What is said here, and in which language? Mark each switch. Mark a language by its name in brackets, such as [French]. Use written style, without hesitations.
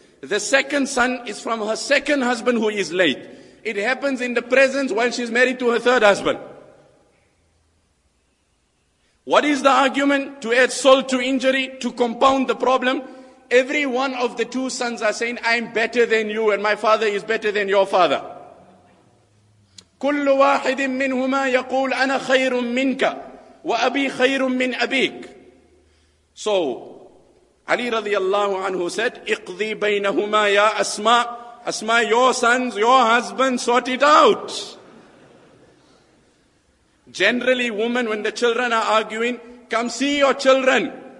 [English] The second son is from her second husband who is late. It happens in the presence while she's married to her third husband. What is the argument? To add salt to injury, to compound the problem. Every one of the two sons are saying, I'm better than you and my father is better than your father. [Arabic] كل واحد منهما يقول أنا خير منك وأبي خير من أبيك. [English] So Ali radiallahu anhu said, [Arabic] اقضي بينهما يا أسماء. [English] أسماء, your sons, your husband, sort it out. Generally, women, when the children are arguing, come see your children.